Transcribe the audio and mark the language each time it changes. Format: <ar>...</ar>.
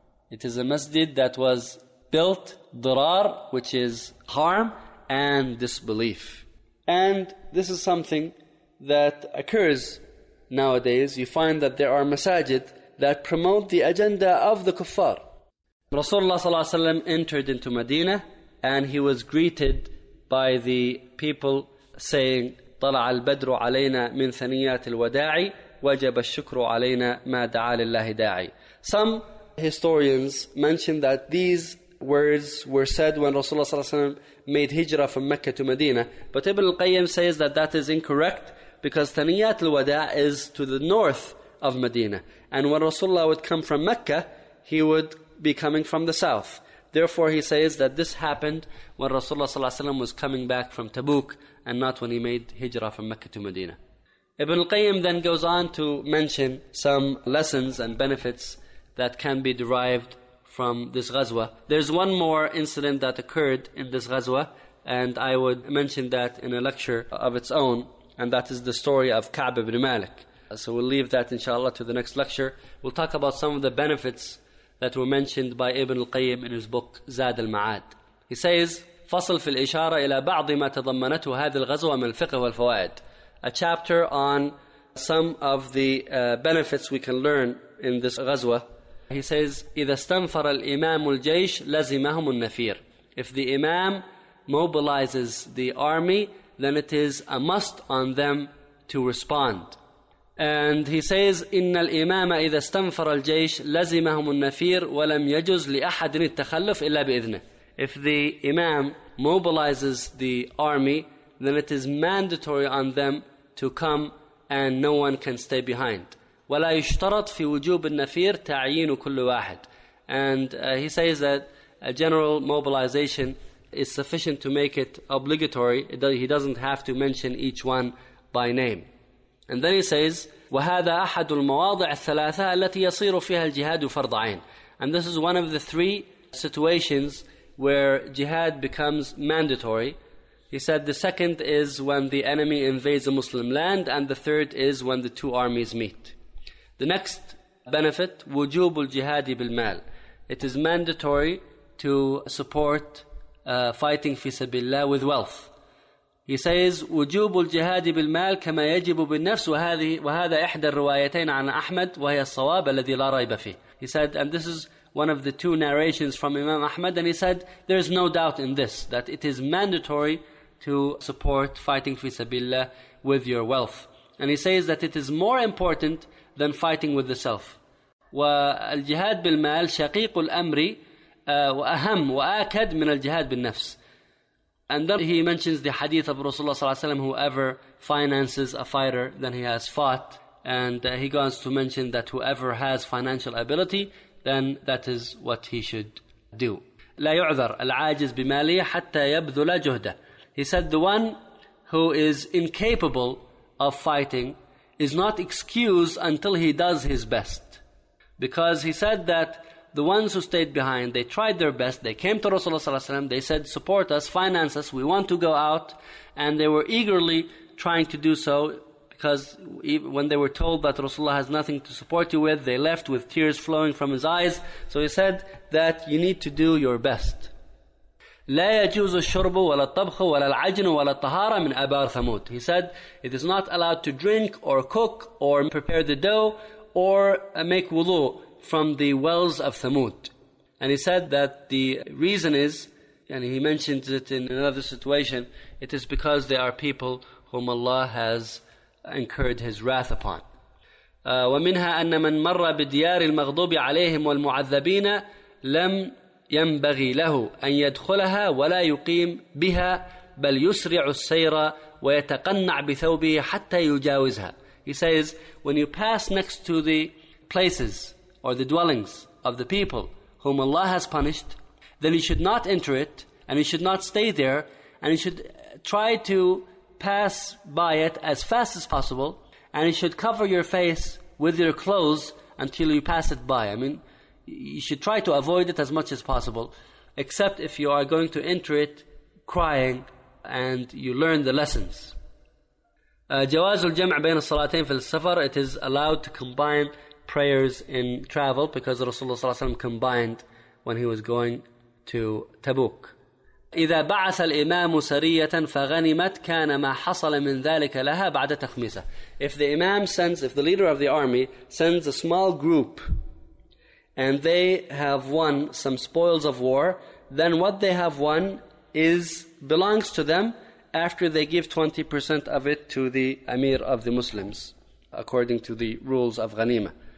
<en>It is a masjid that was built, dhirar, which is harm and disbelief. And this is something that occurs nowadays. You find that there are masajid that promote the agenda of the kuffar. Rasulullah ﷺ entered into Medina and he was greeted by the people saying,</en> <ar>طلع البدر علينا من ثنيات الوداع وجب الشكر علينا ما دعا لله داعي.</ar> <en>Some historians mention that these words were said when Rasulullah ﷺ made hijrah from Mecca to Medina. But Ibn al-Qayyim says that that is incorrect because ثنيات الوداع is to the north of Medina. And when Rasulullah would come from Mecca, he would be coming from the south. Therefore he says that this happened when Rasulullah ﷺ was coming back from Tabuk, and not when he made hijrah from Mecca to Medina. Ibn al-Qayyim then goes on to mention some lessons and benefits that can be derived from this ghazwa. There's one more incident that occurred in this ghazwa, and I would mention that in a lecture of its own. And that is the story of Ka'b ibn Malik. So we'll leave that inshallah to the next lecture. We'll talk about some of the benefits that were mentioned by Ibn al-Qayyim in his book Zad al-Ma'ad. He says,</en> <ar>فصل في الإشارة إلى بعض ما تضمنته هذه الغزوة من الفقه والفوائد.</ar> <en>A chapter on some of the benefits we can learn in this غزوة. He says,</en> <ar>إذا استنفر الإمام الجيش لزمهم النفير.</ar> <en>If the Imam mobilizes the army, then it is a must on them to respond. And he says,</en> <ar>إن الإمام إذا استنفر الجيش لزمهم النفير ولم يجوز لأحد التخلف إلا بإذنه.</ar> <en>If the Imam mobilizes the army, then it is mandatory on them to come and no one can stay behind.</en> <ar>وَلَا يُشْتَرَطْ فِي وُجُوبِ النَّفِيرِ تَعْيِينُ كُلُّ وَاحِدٍ.</ar> <en>And he says that a general mobilization is sufficient to make it obligatory. He doesn't have to mention each one by name. And then he says,</en> <ar>وَهَذَا أَحَدُ الْمَوَاضِعِ الثَّلَاثَةَ الَّتِي يَصِيرُ فِيهَا الْجِهَادُ فَرْضَ عَيْنٍ.</ar> <en>And this is one of the three situations where jihad becomes mandatory. He said the second is when the enemy invades a Muslim land, and the third is when the two armies meet. The next benefit,</en> <ar>وجوب الجهاد بالمال.</ar> <en>It is mandatory to support fighting</en> <ar>في سبيل الله</ar> <en>with wealth. He says,</en> <ar>وجوب الجهاد بالمال كما يجب بالنفس وهذا إحدى الروايتين عن أحمد وهي الصواب الذي لا ريب فيه.</ar> <en>He said, and this is one of the two narrations from Imam Ahmad, and he said, there is no doubt in this, that it is mandatory to support fighting fi sabillah with your wealth. And he says that it is more important than fighting with the self.</en> <ar>وَالْجِهَادْ بِالْمَالِ شَقِيقُ الْأَمْرِ وَأَهَمْ وَآكَدْ مِنَ الْجِهَادْ بِالنَّفْسِ.</ar> <en>And then he mentions the hadith of Rasulullah ﷺ, whoever finances a fighter, then he has fought. And he goes to mention that whoever has financial ability, then that is what he should do.</en> <ar>لا يعذر العاجز بماله حتى يبذل جهده.</ar> <en>He said the one who is incapable of fighting is not excused until he does his best. Because he said that the ones who stayed behind, they tried their best, they came to Rasulullah ﷺ, they said, support us, finance us, we want to go out. And they were eagerly trying to do so, because when they were told that Rasulullah has nothing to support you with, they left with tears flowing from his eyes. So he said that you need to do your best.</en> <ar>لا يجوز الشرب ولا الطبخ ولا العجن ولا الطهارة من أبار ثمود.</ar> <en>He said, it is not allowed to drink or cook or prepare the dough or make wudu from the wells of Thamud. And he said that the reason is, and he mentions it in another situation, it is because they are people whom Allah has incurred his wrath upon.</en> <ar>ومنها أن من مر بديار المغضوب عليهم والمعذبين لم ينبغي له أن يدخلها ولا يقيم بها بل يسرع السيرة ويتقنع بثوبه حتى يجاوزها.</ar> <en>He says, when you pass next to the places or the dwellings of the people whom Allah has punished, then you should not enter it, and you should not stay there, and you should try to pass by it as fast as possible, and you should cover your face with your clothes until you pass it by. I mean, you should try to avoid it as much as possible, except if you are going to enter it crying and you learn the lessons.</en> <ar>جواز الجمع بين الصلاتين في السفر.</ar> <en>It is allowed to combine prayers in travel, because Rasulullah</en> <ar>صلى الله عليه وسلم</ar> <en>combined when he was going to Tabuk.</en> <ar>إذا بعث الإمام سرية فغنمت كان ما حصل من ذلك لها بعد تخميسة.</ar> <en>If the leader of the army sends a small group and they have won some spoils of war, then what they have won belongs to them after they give 20% of it to the Amir of the Muslims, according to the rules of Ghanima.</en>